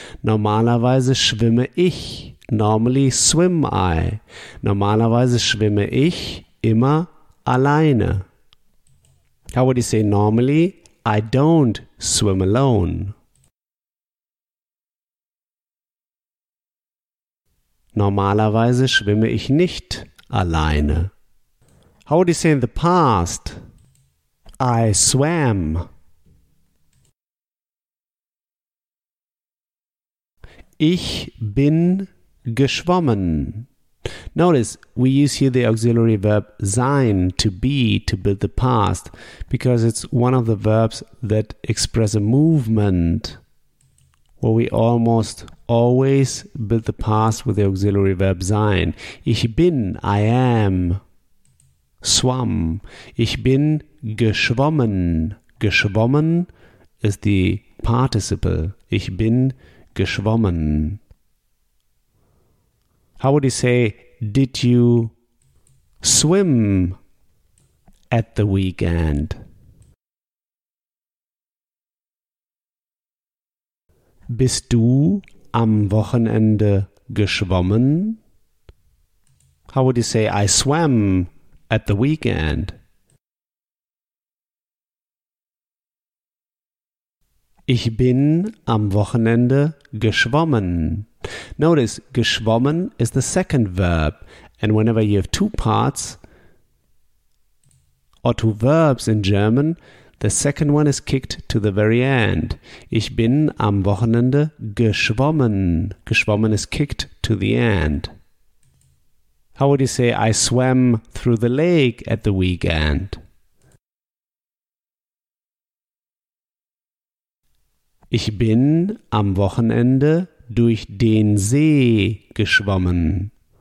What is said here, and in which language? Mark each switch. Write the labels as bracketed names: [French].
[German] Normalerweise schwimme ich. [English] Normally swim I. [German] Normalerweise schwimme ich immer alleine. [English] How would you say normally? I don't swim alone. [German] Normalerweise schwimme ich nicht alleine. [English] How would you say in the past? I swam. [German] Ich bin geschwommen. [English] Notice, we use here the auxiliary verb sein, to be, to build the past, because it's one of the verbs that express a movement, where we almost always build the past with the auxiliary verb sein. [German] Ich bin, [English] I am, [German] schwamm. Ich bin geschwommen. Geschwommen [English] is the participle. [German] Ich bin geschwommen. [English] How would you say, did you swim at the weekend? [German] Bist du am Wochenende geschwommen? [English] How would you say, I swam at the weekend? [German] Ich bin am Wochenende geschwommen. [English] Notice, geschwommen is the second verb. And whenever you have two parts or two verbs in German, the second one is kicked to the very end. [German] Ich bin am Wochenende geschwommen. Geschwommen [English] is kicked to the end. How would you say, I swam through the lake at the weekend? [German] Ich bin am Wochenende durch den See geschwommen.